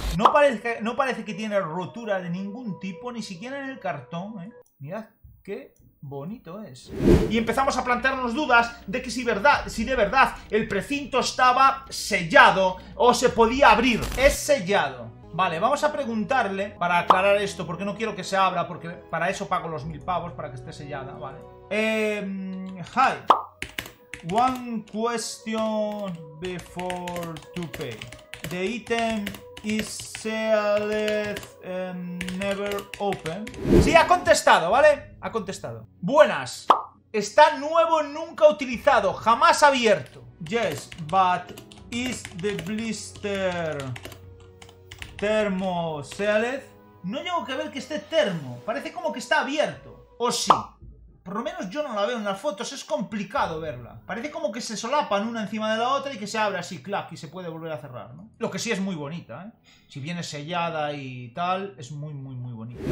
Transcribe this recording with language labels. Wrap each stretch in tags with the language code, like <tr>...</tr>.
<es>No parece que tiene rotura de ningún tipo, ni siquiera en el cartón, Mirad qué bonito es. Y empezamos a plantearnos dudas de que si de verdad el precinto estaba sellado o se podía abrir. Es sellado. Vale, vamos a preguntarle, para aclarar esto, porque no quiero que se abra, porque para eso pago los 1000 pavos, para que esté sellada, vale.</es> <en>Hi, one question before to pay. The item is sealed and never open.</en> <es>Sí, ha contestado, ¿vale? Ha contestado. Buenas, está nuevo, nunca utilizado, jamás abierto.</es> <en>Yes, but is the blister thermosealed?</en> <es>No tengo que ver que esté termo. Parece como que está abierto. O sí. Por lo menos yo no la veo en las fotos. Es complicado verla. Parece como que se solapan una encima de la otra y que se abre así, clac, y se puede volver a cerrar, ¿no? Lo que sí es muy bonita, ¿eh? Si viene sellada y tal, es muy, muy, muy bonita.</es>